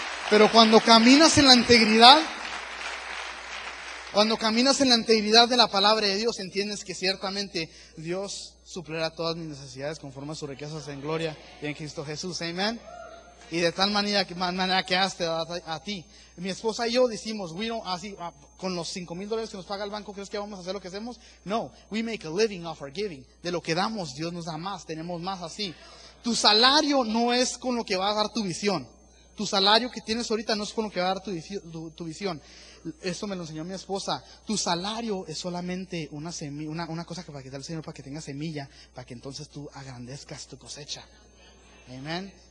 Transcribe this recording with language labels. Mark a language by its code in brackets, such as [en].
[es] Pero cuando caminas en la integridad, cuando caminas en la integridad de la palabra de Dios, entiendes que ciertamente Dios suplirá todas mis necesidades conforme a sus riquezas en gloria y en Cristo Jesús. Amén. Y de tal manera que has te dado a ti. Mi esposa y yo decimos, [en] we don't, [es] así, con los $5,000 que nos paga el banco, ¿crees que vamos a hacer lo que hacemos? [en] No, we make a living off our giving. [es] De lo que damos, Dios nos da más, tenemos más así. Tu salario no es con lo que va a dar tu visión. Tu salario que tienes ahorita no es con lo que va a dar tu visión. Eso me lo enseñó mi esposa. Tu salario es solamente una semilla, una cosa que para que dé el Señor, para que tenga semilla, para que entonces tú agrandezcas tu cosecha. Amén.